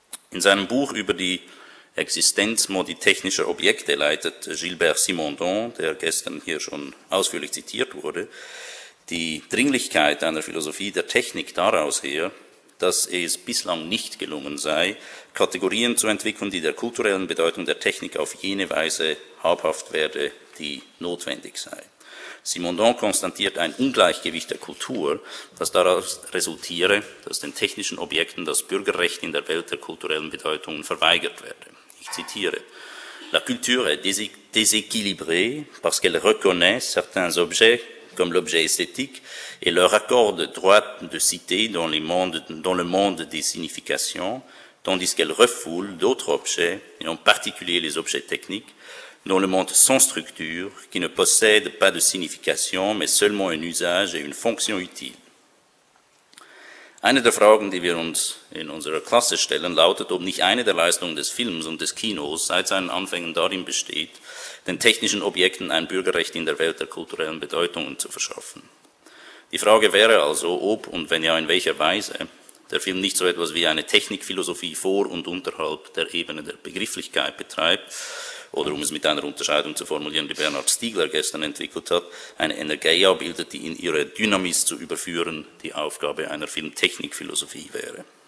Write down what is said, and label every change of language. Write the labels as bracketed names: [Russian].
[German] In seinem Buch über die Existenzmodi technischer Objekte leitet Gilbert Simondon, der gestern hier schon ausführlich zitiert wurde, die Dringlichkeit einer Philosophie der Technik daraus her, dass es bislang nicht gelungen sei, Kategorien zu entwickeln, die der kulturellen Bedeutung der Technik auf jene Weise habhaft werde, die notwendig sei. Simondon konstatiert ein Ungleichgewicht der Kultur, das daraus resultiere, dass den technischen Objekten das Bürgerrecht in der Welt der kulturellen Bedeutungen verweigert werde. [French] Ich zitiere: La culture est déséquilibrée parce qu'elle reconnaît certains objets comme l'objet esthétique et leur accorde droit de cité dans le monde des significations, tandis qu'elle refoule d'autres objets, et en particulier les objets techniques, dans le monde sans structure, qui ne possède pas de signification, mais seulement un usage et une fonction utile. [German] Eine der Fragen, die wir uns in unserer Klasse stellen, lautet, ob nicht eine der Leistungen des Films und des Kinos seit seinen Anfängen darin besteht, den technischen Objekten ein Bürgerrecht in der Welt der kulturellen Bedeutungen zu verschaffen. Die Frage wäre also, ob und wenn ja in welcher Weise der Film nicht so etwas wie eine Technikphilosophie vor und unterhalb der Ebene der Begrifflichkeit betreibt, oder um es mit einer Unterscheidung zu formulieren, die Bernhard Stiegler gestern entwickelt hat, eine Energeia bildet, die in ihre Dynamis zu überführen die Aufgabe einer Filmtechnikphilosophie wäre.